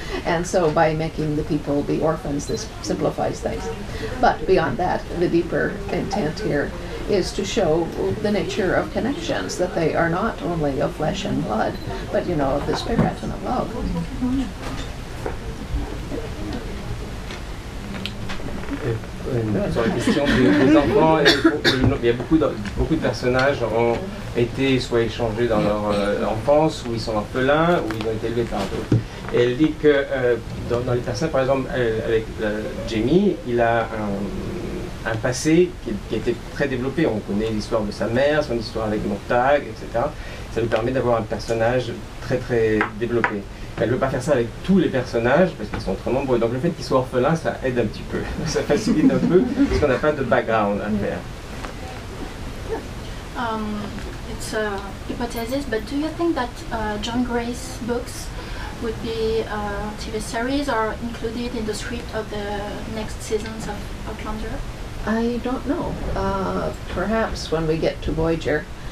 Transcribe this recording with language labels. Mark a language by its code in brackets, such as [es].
[en] And so by making the people be orphans, this simplifies things. But beyond that, the deeper intent here is to show the nature of connections, that they are not only of flesh and blood, but, you know, of the spirit and of love. [fr] Sur la question des enfants, il y a beaucoup de personnages ont été soit échangés dans leur enfance, ou ils sont orphelins, ou ils ont été élevés par d'autres. Et elle dit que dans les personnages, par exemple, avec Jamie, il a un passé qui était très développé. On connaît l'histoire de sa mère, son histoire avec Montag, etc. Ça lui permet d'avoir un personnage très très développé. Elle ne veut pas faire ça avec tous les personnages, parce qu'ils sont trop nombreux. Donc le fait qu'ils soient orphelins, ça aide un petit peu. Ça facilite un peu, parce qu'on n'a pas de background à faire. [en] It's a hypothesis, but do you think that John Gray's books would be TV series or included in the script of the next seasons of Outlander? I don't know. Perhaps when we get to Voyager.